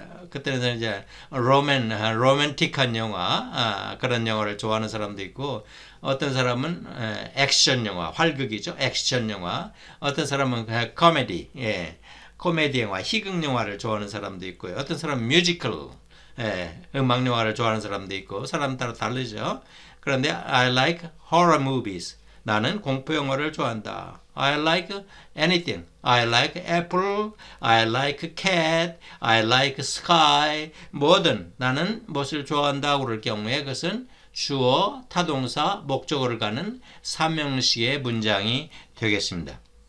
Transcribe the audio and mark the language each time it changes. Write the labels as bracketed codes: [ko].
[ko] 그때는 이제 로맨틱한 영화 그런 영화를 좋아하는 사람도 있고 어떤 사람은 액션 영화 활극이죠. 액션 영화. 어떤 사람은 코미디. 코미디 영화, 희극 영화를 좋아하는 사람도 있고요. 어떤 사람은 뮤지컬, 음악 영화를 좋아하는 사람도 있고, 사람 따라 다르죠. 그런데 [en] I like horror movies. [ko] 나는 공포 영화를 좋아한다. [en] I like anything. I like apple. I like cat. I like sky. [ko] 뭐든 나는 무엇을 좋아한다고 그럴 경우에 그것은 주어, 타동사, 목적어를 가는 3형식의 문장이 되겠습니다.